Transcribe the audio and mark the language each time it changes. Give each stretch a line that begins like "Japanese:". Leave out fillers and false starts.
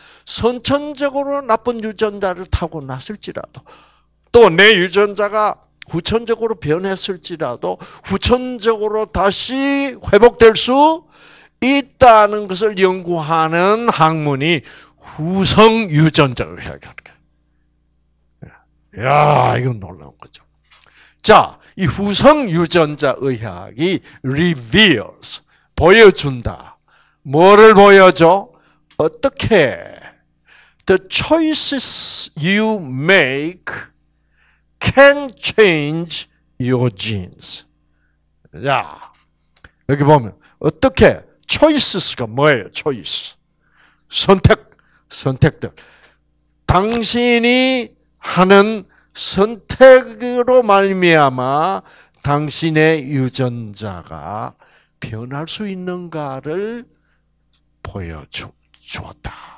Korean: 선천적으로 나쁜 유전자를 타고 났을지라도 또 내 유전자가 후천적으로 변했을지라도 후천적으로 다시 회복될 수 있다는 것을 연구하는 학문이 후성 유전자를 이야기하는 거예요. 이야, 이건 놀라운 거죠. 자, 이 후성 유전자 의학이 reveals, 보여준다. 뭐를 보여줘? 어떻게?
English: The choices you make can change your genes.
Korean: 야, 여기 보면 어떻게 choices가 뭐예요? choice 선택들. 당신이 하는 선택으로 말미암아 당신의 유전자가 변할 수 있는가를 보여주었다.